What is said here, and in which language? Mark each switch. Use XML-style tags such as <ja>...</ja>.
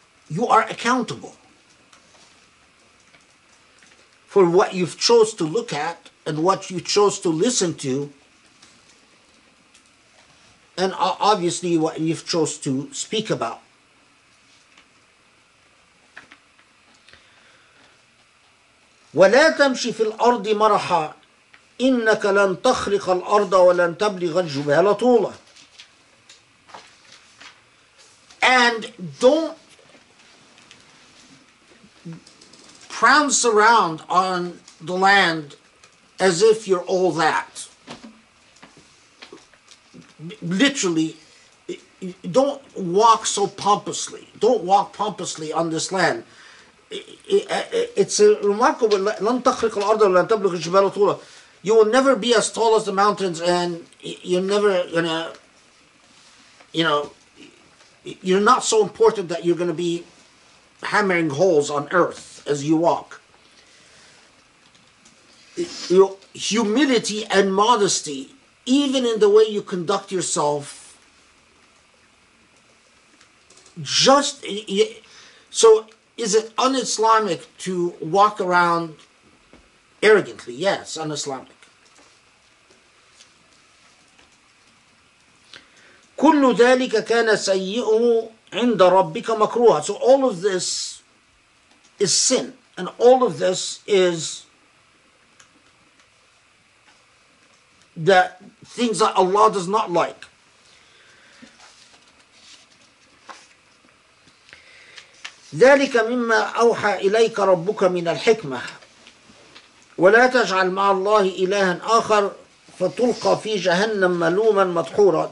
<en>You are accountable for what you've chose to look at and what you chose to listen to, and obviously what you've chose to speak about.</en> <ar>ولا تمشي في الأرض مرحا إنك لن تخرق الأرض ولن تبلغ الجبال طولا.</ar> <en>And don't prance around on the land as if you're all that. Literally, don't walk so pompously. Don't walk pompously on this land. it's remarkable.</en> <ar>لن تخرق الأرض ولا تبلغ الجبال طولا.</ar> <en>You will never be as tall as the mountains, and you're never gonna, you know, you're not so important that you're gonna be hammering holes on earth as you walk. Your humility and modesty, even in the way you conduct yourself, just so, is it un-Islamic to walk around arrogantly? Yes, un-Islamic.</en> <ar>كل ذلك كان سيئه عند ربك مكروها.</ar> <en>So all of this is sin, and all of this is the things that Allah does not like.</en> <ar>ذلك مما أوحى إليك ربك من الحكمة ولا تجعل مع الله إلها آخر فتلقى في جهنم ملوما مدحورا.</ar>